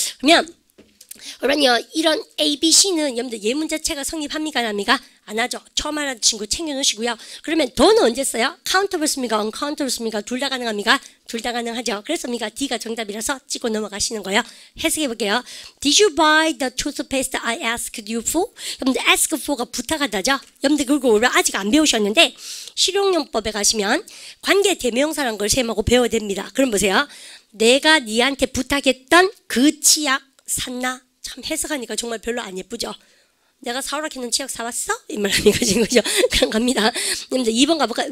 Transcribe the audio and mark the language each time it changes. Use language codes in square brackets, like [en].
[ko] 그러면, 그러면요, 이런 ABC는 여러분들 예문 자체가 성립합니까? 안합니까? 안 하죠. 처음 하는 친구 챙겨놓으시고요. 그러면 돈은 언제 써요? 카운터블 씁니까? 언카운터블 씁니까? 둘다 가능합니까? 둘다 가능하죠. 그래서 우리가 D가 정답이라서 찍고 넘어가시는 거예요. 해석해볼게요. [en] Did you buy the toothpaste I asked you for? [ko] 여러분들 ask for가 부탁하다죠. 여러분들 그리고 아직 안 배우셨는데 실용요법에 가시면 관계 대명사라는 걸 선생님하고 배워야 됩니다. 그럼 보세요. 내가 니한테 부탁했던 그 치약 샀나? 참 해석하니까 정말 별로 안 예쁘죠? 내가 사오라 했는 치약 사왔어? 이 말하는 거죠. 그런 겁니다. 여러분들 2번 가볼까요?